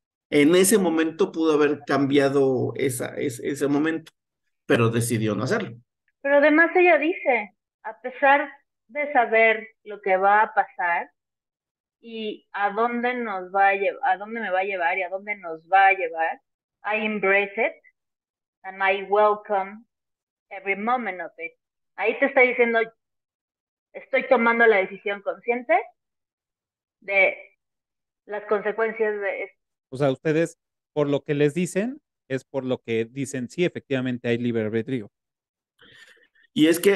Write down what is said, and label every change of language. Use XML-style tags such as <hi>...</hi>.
<es>En ese momento pudo haber cambiado ese momento, pero decidió no hacerlo. Pero además ella dice, a pesar de saber lo que va a pasar y a dónde nos va a llevar, a dónde me va a llevar y a dónde nos va a llevar.</es> <en>I embrace it and I welcome every moment of it.</en> <es>Ahí te está diciendo, estoy tomando la decisión consciente de las consecuencias de esto. O sea, ustedes, por lo que les dicen, es por lo que dicen, sí, efectivamente hay libre albedrío. Y es que</es>